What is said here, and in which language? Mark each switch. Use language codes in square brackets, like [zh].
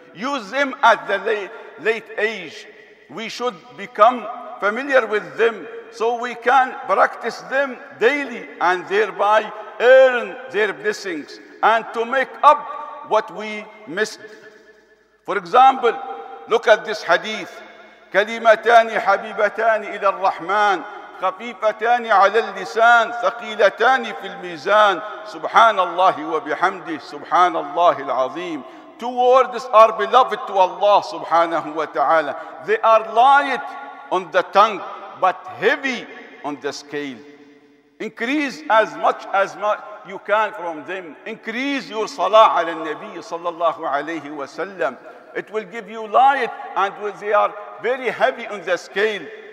[en] Use them at the late age. We should become familiar with them so we can practice them daily and thereby earn their blessings and to make up what we missed. For example, look at this hadith. [ar] كلمتان حبيبتان إلى الرحمن خفيفتان على اللسان ثقيلتان في الميزان سبحان الله وبحمده سبحان الله العظيم. [en] Two words are beloved to Allah subhanahu wa ta'ala. They are light on the tongue but heavy on the scale. Increase as much as you can from them. Increase your salah [ar] على النبي صلى الله عليه وسلم. [en] It will give you light, and they are very heavy on the scale.